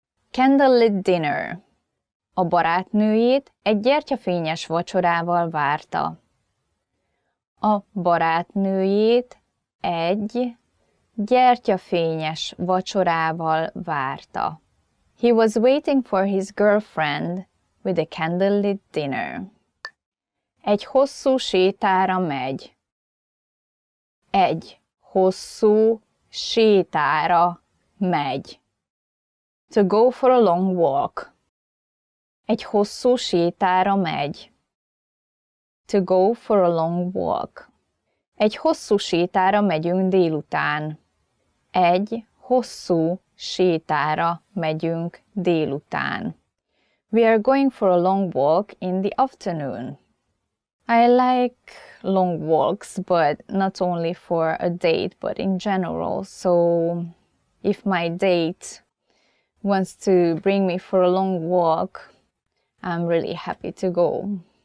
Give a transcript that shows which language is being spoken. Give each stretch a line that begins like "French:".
English: Candlelit dinner.
Hungarian: A barátnőjét egy gyertyafényes vacsorával várta. A barátnőjét egy gyertyafényes vacsorával várta.
English: He was waiting for his girlfriend with a candlelit dinner.
Hungarian: Egy hosszú sétára megy. Egy hosszú sétára megy.
English: To go for a long walk.
Hungarian: Egy hosszú sétára megy.
English: To go for a long walk.
Hungarian: Egy hosszú sétára megyünk délután. Egy hosszú sétára megyünk délután.
English: We are going for a long walk in the afternoon. I like long walks, but not only for a date, but in general. So if my date wants to bring me for a long walk, I'm really happy to go.